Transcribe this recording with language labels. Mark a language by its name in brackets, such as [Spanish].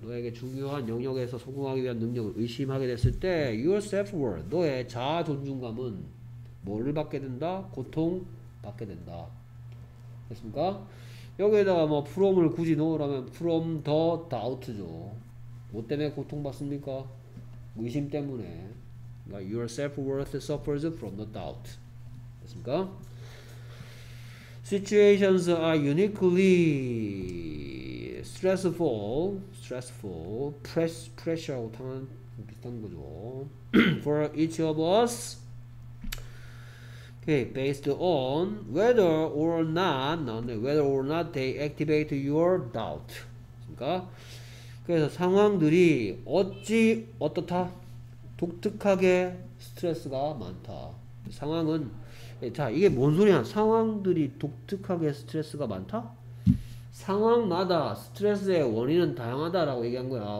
[Korean] 너에게 중요한 영역에서 성공하기 위한 능력을 의심하게 됐을 때 [English] your self-worth, [Korean] 너의 자아 존중감은 뭐를 받게 된다? 고통 받게 된다. 됐습니까? 여기에다가 뭐 from을 굳이 넣으라면 [English] from the doubt [Korean] 죠. 뭐 때문에 고통받습니까? 의심 때문에. 그러니까 [English] your self-worth suffers from the doubt. [Korean] 됐습니까? [English] Situations are uniquely stressful, pressure [Korean] 비슷한 거죠. [English] For each of us, okay, based on whether or not, whether or not they activate your doubt. [Korean] 그러니까 그래서 상황들이 어찌 어떻다? 독특하게 스트레스가 많다. 상황은 자, 이게 뭔 소리야? 상황들이 독특하게 스트레스가 많다? 상황마다 스트레스의 원인은 다양하다라고 얘기한 거야.